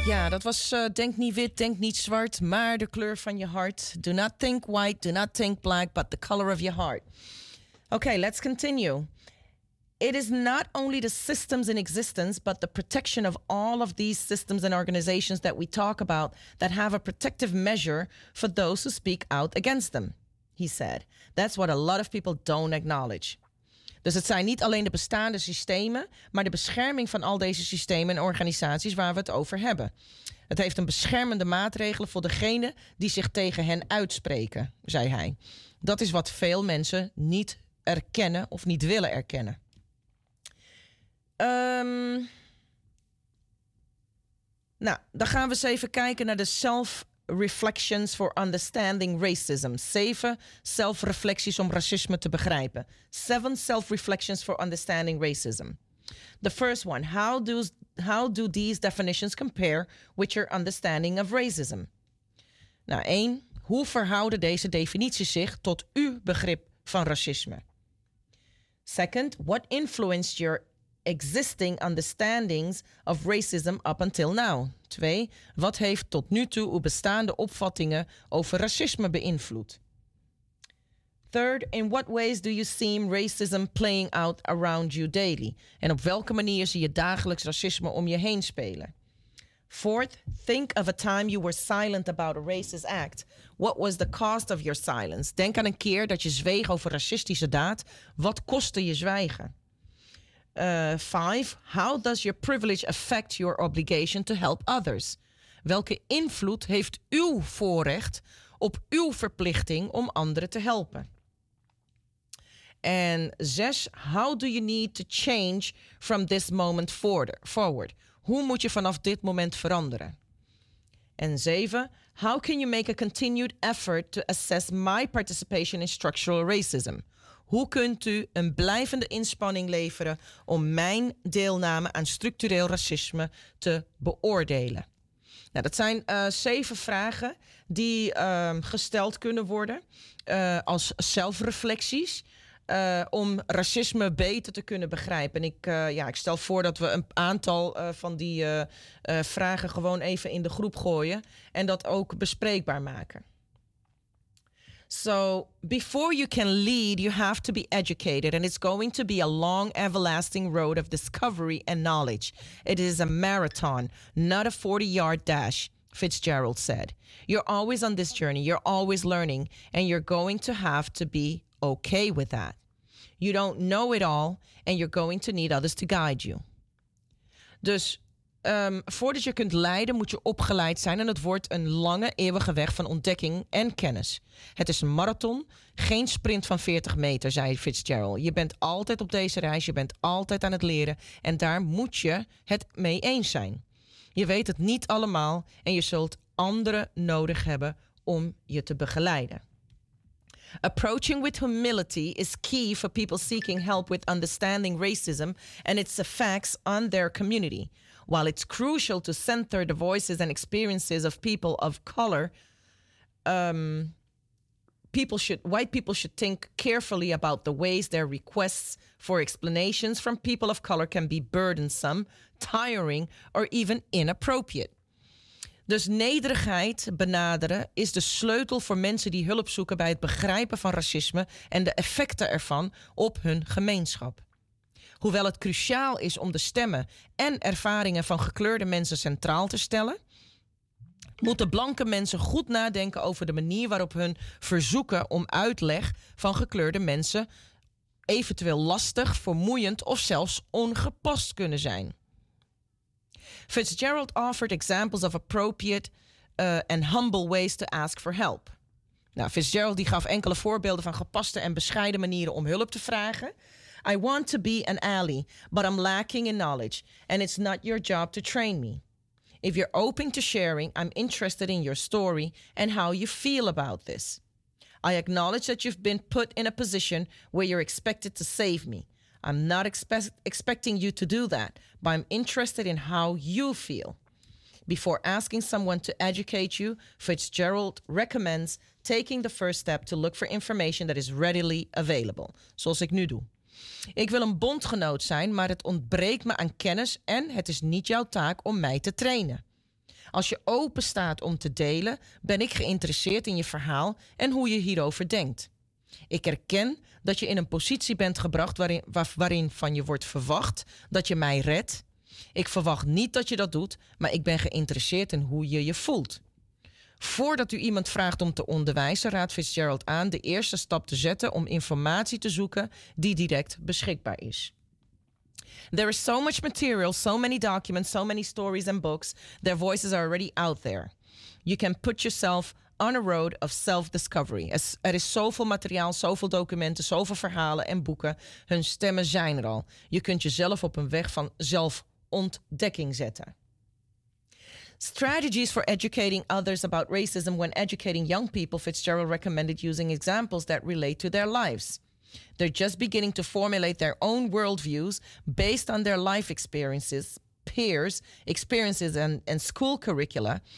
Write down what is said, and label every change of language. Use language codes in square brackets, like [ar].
[nl] Dat was Denk niet wit, denk niet zwart, maar de kleur van je hart. [en] Do not think white, do not think black, but the color of your heart. Okay, let's continue. It is not only the systems in existence, but the protection of all of these systems and organizations that we talk about that have a protective measure for those who speak out against them, he said. That's what a lot of people don't acknowledge. [nl] Dus het zijn niet alleen de bestaande systemen, maar de bescherming van al deze systemen en organisaties waar we het over hebben. Het heeft een beschermende maatregel voor degene die zich tegen hen uitspreken, zei hij. Dat is wat veel mensen niet erkennen of niet willen erkennen. Nou, dan gaan we eens even kijken naar de [en] self-reflections for understanding racism. [nl] 7 zelfreflecties om racisme te begrijpen. [en] 7 self-reflections for understanding racism. The first one, how do these definitions compare with your understanding of racism? [nl] Nou, 1. Hoe verhouden deze definities zich tot uw begrip van racisme? 2. [en] What influenced your existing understandings of racism up until now? [nl] 2. Wat heeft tot nu toe uw bestaande opvattingen over racisme beïnvloed? 3. [en] In what ways do you see racism playing out around you daily? [nl] En op welke manier zie je dagelijks racisme om je heen spelen? 4. [en] Think of a time you were silent about a racist act. What was the cost of your silence? [nl] Denk aan een keer dat je zweeg over racistische daad. Wat kostte je zwijgen? 5. [en] How does your privilege affect your obligation to help others? [nl] Welke invloed heeft uw voorrecht op uw verplichting om anderen te helpen? En 6. [en] How do you need to change from this moment forward? [nl] Hoe moet je vanaf dit moment veranderen? En 7. [en] How can you make a continued effort to assess my participation in structural racism? [nl] Hoe kunt u een blijvende inspanning leveren om mijn deelname aan structureel racisme te beoordelen? Nou, dat zijn 7 vragen die gesteld kunnen worden als zelfreflecties. Om racisme beter te kunnen begrijpen. En ik stel voor dat we een aantal van die vragen gewoon even in de groep gooien en dat ook bespreekbaar maken. [en] So, before you can lead, you have to be educated. And it's going to be a long, everlasting road of discovery and knowledge. It is a marathon, not a 40-yard dash, Fitzgerald said. You're always on this journey, you're always learning, and you're going to have to be okay with that. You don't know it all and you're going to need others to guide you. [nl] Dus voordat je kunt leiden moet je opgeleid zijn en het wordt een lange eeuwige weg van ontdekking en kennis. Het is een marathon, geen sprint van 40 meter, zei Fitzgerald. Je bent altijd op deze reis, je bent altijd aan het leren en daar moet je het mee eens zijn. Je weet het niet allemaal en je zult anderen nodig hebben om je te begeleiden. [en] Approaching with humility is key for people seeking help with understanding racism and its effects on their community. While it's crucial to center the voices and experiences of people of color, white people should think carefully about the ways their requests for explanations from people of color can be burdensome, tiring, or even inappropriate. [nl] Dus nederigheid benaderen is de sleutel voor mensen die hulp zoeken bij het begrijpen van racisme en de effecten ervan op hun gemeenschap. Hoewel het cruciaal is om de stemmen en ervaringen van gekleurde mensen centraal te stellen, moeten blanke mensen goed nadenken over de manier waarop hun verzoeken om uitleg van gekleurde mensen eventueel lastig, vermoeiend of zelfs ongepast kunnen zijn. [en] Fitzgerald offered examples of appropriate and humble ways to ask for help. [nl] Nou, Fitzgerald die gaf enkele voorbeelden van gepaste en bescheiden manieren om hulp te vragen. [en] I want to be an ally, but I'm lacking in knowledge, and it's not your job to train me. If you're open to sharing, I'm interested in your story and how you feel about this. I acknowledge that you've been put in a position where you're expected to save me. I'm not expecting you to do that, but I'm interested in how you feel. Before asking someone to educate you, Fitzgerald recommends taking the first step to look for information that is readily available. [nl] Zoals ik nu doe. Ik wil een bondgenoot zijn, maar het ontbreekt me aan kennis en het is niet jouw taak om mij te trainen. Als je open staat om te delen, ben ik geïnteresseerd in je verhaal en hoe je hierover denkt. Ik erken dat je in een positie bent gebracht waarin van je wordt verwacht dat je mij redt. Ik verwacht niet dat je dat doet, maar ik ben geïnteresseerd in hoe je je voelt. Voordat u iemand vraagt om te onderwijzen, raadt Fitzgerald aan de eerste stap te zetten om informatie te zoeken die direct beschikbaar is. [en] There is so much material, so many documents, so many stories and books. Their voices are already out there. You can put yourself on a road of self-discovery. [nl] Er is zoveel materiaal, zoveel documenten, zoveel verhalen en boeken. Hun stemmen zijn er al. Je kunt jezelf op een weg van zelfontdekking zetten. [en] strategies for educating others about racism when educating young people, Fitzgerald recommended using examples that relate to their lives. They're just beginning to formulate their own worldviews based on their life experiences, peers, experiences, and school curricula.